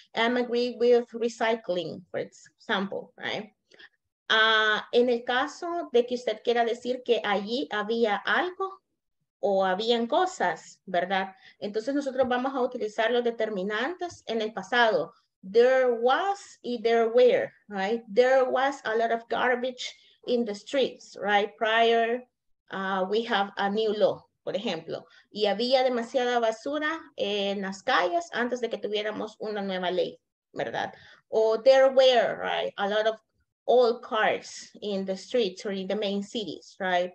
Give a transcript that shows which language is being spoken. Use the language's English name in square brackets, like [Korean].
[English] I'm agreed with recycling, for example, right? [Spanish] En el caso de que usted quiera decir que allí había algo o habían cosas, ¿verdad? Entonces nosotros vamos a utilizar los determinantes en el pasado. [English] There was y there were, right? There was a lot of garbage in the streets, right? Prior, we have a new law, [Spanish] por ejemplo. Y había demasiada basura en las calles antes de que tuviéramos una nueva ley, ¿verdad? [English] O there were, right? A lot of old cars in the streets or in the main cities, right?